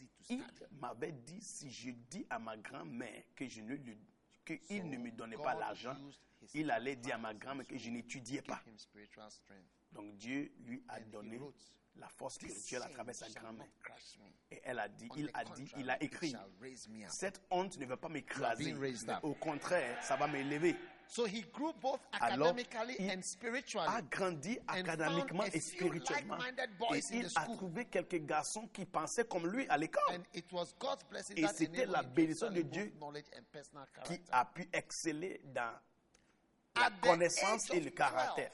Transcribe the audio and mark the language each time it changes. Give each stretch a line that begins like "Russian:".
French: Il m'avait dit, si je dis à ma grand-mère qu'il ne me donnait pas l'argent, il allait dire à ma grand-mère que je n'étudiais pas. Donc Dieu lui a donné la force spirituelle à travers sa grand-mère. Et elle a dit, il a dit, il a écrit, cette honte ne va pas m'écraser, au contraire, ça va m'élever.
English: So he grew both academically and spiritually.
French: Alors, il a grandi académiquement et spirituellement. Et il a trouvé quelques garçons qui pensaient comme lui à l'école. Et c'était la bénédiction de Dieu qui a pu exceller dans la connaissance et le caractère.